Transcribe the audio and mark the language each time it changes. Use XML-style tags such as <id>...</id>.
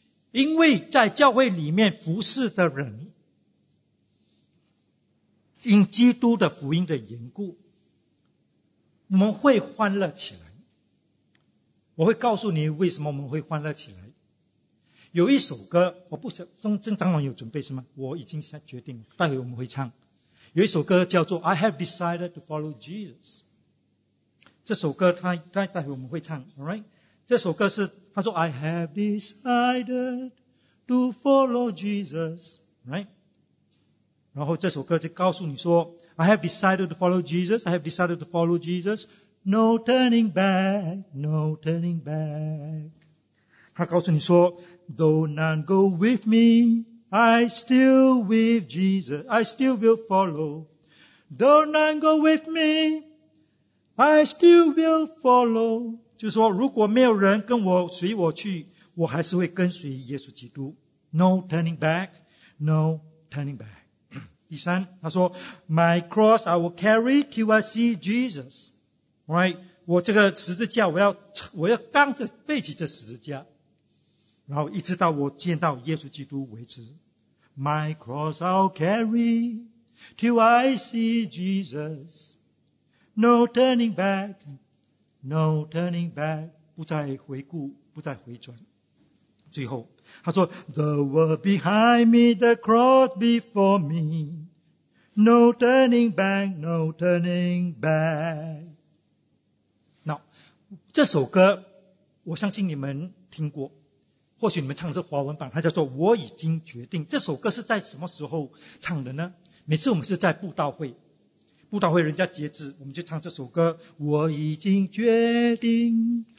<zh>因为在教会里面服侍的人，因基督的福音的缘故，我们会欢乐起来。我会告诉你为什么我们会欢乐起来。有一首歌，我不想，正常有准备什么，我已经决定待会我们会唱。有一首歌叫做</zh> <en>I have decided to follow Jesus。</en> <zh>这首歌他待会我们会唱， alright？这首歌是他说</zh> <en>I have decided to follow Jesus, right?</en> <zh>然后这首歌就告诉你说</zh> <en>I have decided to follow Jesus, I have decided to follow Jesus, no turning back, no turning back.</en> <zh>他告诉你说</zh> <en>though none go with me, I still with Jesus, I still will follow. Though none go with me, I still will follow.</en> <zh>就是说如果没有人跟我随我去，我还是会跟随耶稣基督。</zh> <en>No turning back, no turning back.</en> <zh>第三，他说</zh> <en>My cross I will carry till I see Jesus. Right?</en> <zh>我这个十字架我要扛着背起这十字架，然后一直到我见到耶稣基督为止。</zh> <en>My cross I'll carry till I see Jesus. No turning back, no turning back.</en> <zh>不再回顾，不再回转。最后他说</zh> <en>The world behind me, the cross before me. No turning back, no turning back.</en> <zh>Now, 这首歌我相信你们听过。或许你们唱的是华文版，它叫做《我已经决定》。这首歌是在什么时候唱的呢？每次我们是在布道会，布道会人家截止，我们就唱这首歌《我已经决定》。</zh>